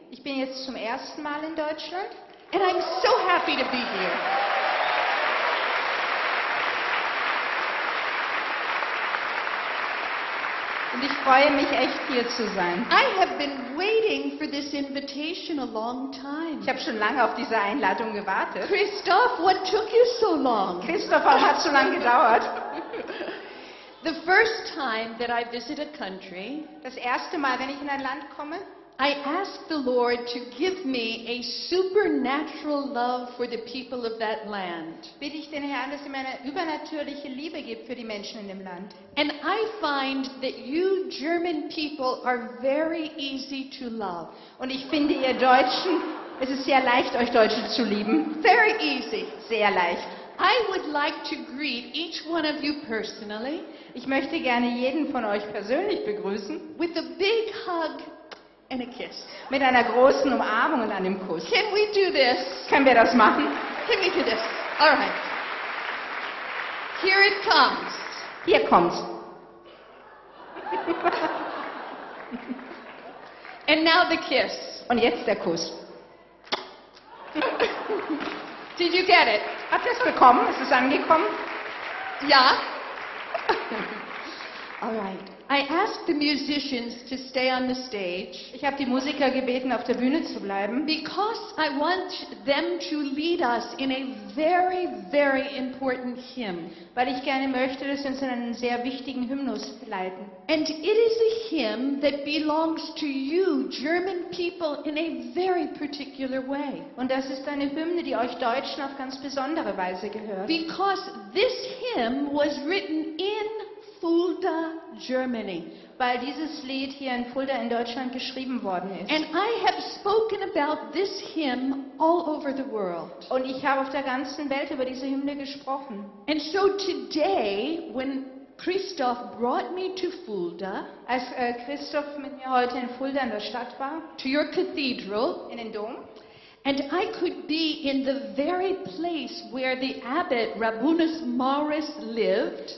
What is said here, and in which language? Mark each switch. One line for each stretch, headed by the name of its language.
German: Ich bin jetzt zum ersten Mal in Deutschland.
English: And I'm so happy to be here.
German: Und ich freue mich echt, hier zu sein.
English: I have been waiting for this invitation a long time.
German: Ich habe schon lange auf diese Einladung gewartet.
English: Christoph, what took you so long?
German: Christoph, warum hat es so lange gedauert?
English: The first time that I visit a country,
German: das erste Mal, wenn ich in ein Land komme,
English: I ask the Lord to give me a supernatural love for the people of that land.
German: Bitte ich den Herrn, dass er mir eine übernatürliche Liebe gibt für die Menschen in dem Land.
English: And I find that you German people are very easy to love.
German: Und ich finde, ihr Deutschen, es ist sehr leicht, euch Deutsche zu lieben.
English: Very easy.
German: Sehr leicht.
English: I would like to greet each one of you personally.
German: Ich möchte gerne jeden von euch persönlich begrüßen.
English: With a big hug and a kiss.
German: Mit einer großen Umarmung und einem Kuss.
English: Can we do this?
German: Können wir das machen?
English: Can we do this? All right. Here it comes.
German: Hier kommt's.
English: And now the kiss.
German: Und jetzt der Kuss.
English: Did you get it?
German: Habt ihr es bekommen? Ist es angekommen? Ja.
English: All right. I asked the musicians to stay on the stage.
German: Ich habe die Musiker gebeten, auf der Bühne zu bleiben.
English: Because I want them to lead us in a very, very important hymn.
German: Weil ich gerne möchte, dass sie uns in einen sehr wichtigen Hymnus leiten.
English: And it is a hymn that belongs to you, German people, in a very particular way.
German: Und das ist eine Hymne, die euch Deutschen auf ganz besondere Weise gehört.
English: Because this hymn was written in Fulda, Germany,
German: weil dieses Lied hier in Fulda in Deutschland geschrieben worden ist.
English: And I have spoken about this hymn all over the world.
German: Und ich habe auf der ganzen Welt über diese Hymne gesprochen.
English: And so today, when Christoph brought me to Fulda,
German: als Christoph mit mir heute in Fulda in der Stadt war,
English: to your cathedral,
German: in den Dom,
English: and I could be in the very place where the abbot Rabunus Maurus lived.